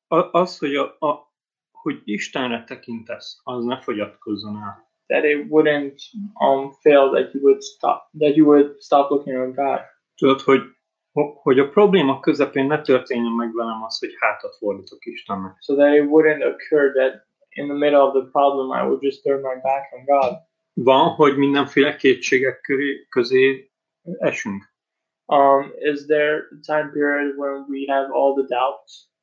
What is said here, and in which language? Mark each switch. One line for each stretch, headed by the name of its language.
Hungarian: Az, hogy Istenre tekintesz, az ne fogyatkozzon el.
English: That it wouldn't fail, that you would stop looking at God.
Hungarian: Tudod, hogy a probléma közepén ne történjen meg velem az, hogy hátat fordítok Istennek.
English: So that it wouldn't occur that in the middle of the problem I would just turn my back on God.
Hungarian: Van, hogy mindenféle kétségek közé esünk.
English: Is there a time period when we have all the doubts?